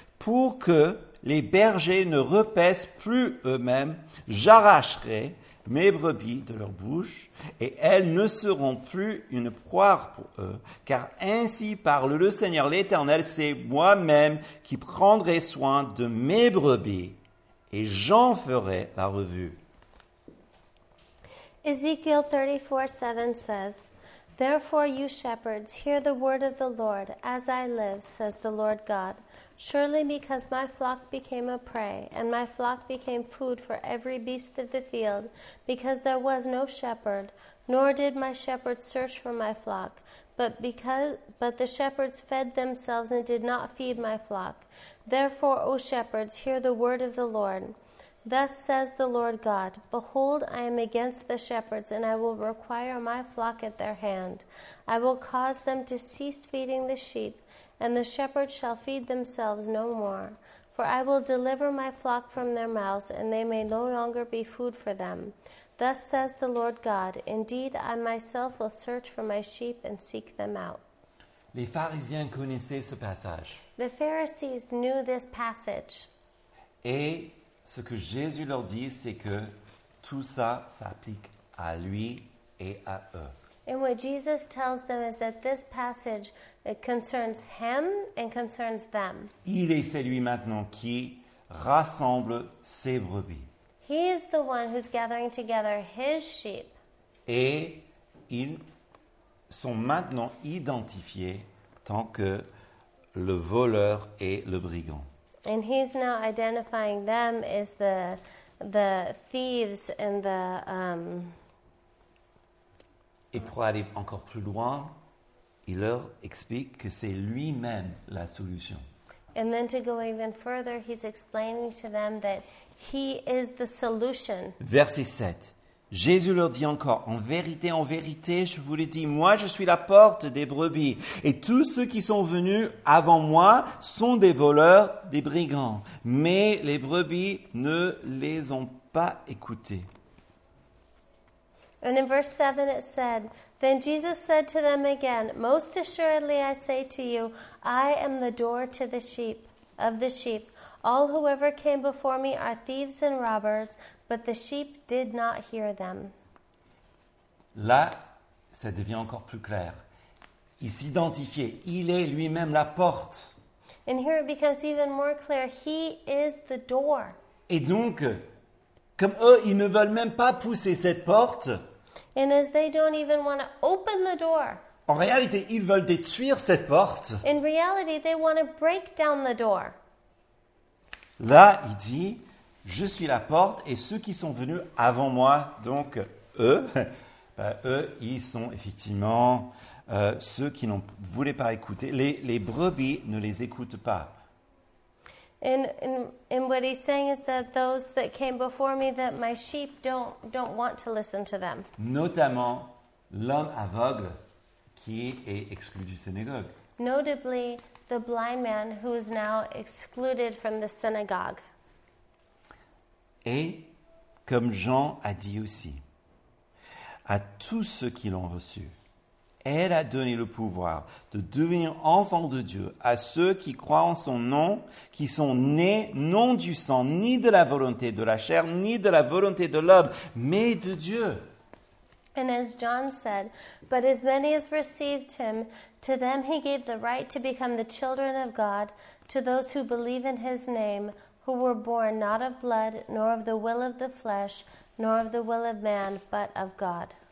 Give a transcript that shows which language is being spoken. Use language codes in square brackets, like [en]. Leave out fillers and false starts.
[fr] Pour que les bergers ne repaissent plus eux-mêmes, j'arracherai mes brebis de leur bouche et elles ne seront plus une poire pour eux. Car ainsi parle le Seigneur, l'Éternel, c'est moi-même qui prendrai soin de mes brebis. Et j'en ferai la revue. [en] Ezekiel 34:7 says, Therefore, you shepherds, hear the word of the Lord. As I live, says the Lord God, surely because my flock became a prey, and my flock became food for every beast of the field, because there was no shepherd, nor did my shepherd search for my flock, but the shepherds fed themselves and did not feed my flock. Therefore, O shepherds, hear the word of the Lord. Thus says the Lord God, Behold, I am against the shepherds, and I will require my flock at their hand. I will cause them to cease feeding the sheep, and the shepherds shall feed themselves no more. For I will deliver my flock from their mouths, and they may no longer be food for them. Thus says the Lord God, Indeed, I myself will search for my sheep and seek them out. [fr] Les pharisiens connaissaient ce passage. [en] The Pharisees knew this passage. [fr] Et ce que Jésus leur dit, c'est que Tout ça s'applique à lui et à eux. [en] And what Jesus tells them is that this passage concerns him and concerns them. [fr] Il est celui maintenant qui rassemble ses brebis. [en] He is the one who's gathering together his sheep. [fr] Et ils sont maintenant identifiés tant que le voleur et le brigand. [en] And he's now identifying them as the thieves and the... [fr] Et pour aller encore plus loin, il leur explique que c'est lui-même la solution. [en] And then to go even further, he's explaining to them that he is the solution. [fr] Verset 7. Jésus leur dit encore, en vérité, je vous le dis, moi je suis la porte des brebis et tous ceux qui sont venus avant moi sont des voleurs, des brigands. Mais les brebis ne les ont pas écoutés. [en] And in verse 7 it said, Then Jesus said to them again, Most assuredly I say to you, I am the door to the sheep, of the sheep. All whoever came before me are thieves and robbers, but the sheep did not hear them. [fr] Là, ça devient encore plus clair. Il s'identifiait, il est lui-même la porte. [en] And here it becomes even more clear, he is the door. [fr] Et donc, comme eux, ils ne veulent même pas pousser cette porte. [en] And as they don't even want to open the door. [fr] En réalité, ils veulent détruire cette porte. [en] In reality, they want to break down the door. [fr] Là, il dit, je suis la porte et ceux qui sont venus avant moi, donc eux, ben, eux, ils sont effectivement ceux qui ne voulaient pas écouter. Les brebis ne les écoutent pas. [en] And what he's saying is that those that came before me, that my sheep don't want to listen to them. [fr] Notamment l'homme aveugle qui est exclu du synagogue. [en] Notably, the blind man who is now excluded from the synagogue. [fr] Et comme Jean a dit aussi, à tous ceux qui l'ont reçu, elle a donné le pouvoir de devenir enfant de Dieu à ceux qui croient en son nom, qui sont nés non du sang, ni de la volonté de la chair, ni de la volonté de l'homme, mais de Dieu. [en] And as John said, but as many as received him, to them he gave the right to become the children of God, to those who believe in his name, who were born not of blood, nor of the will of the flesh, nor of the will of man, but of God.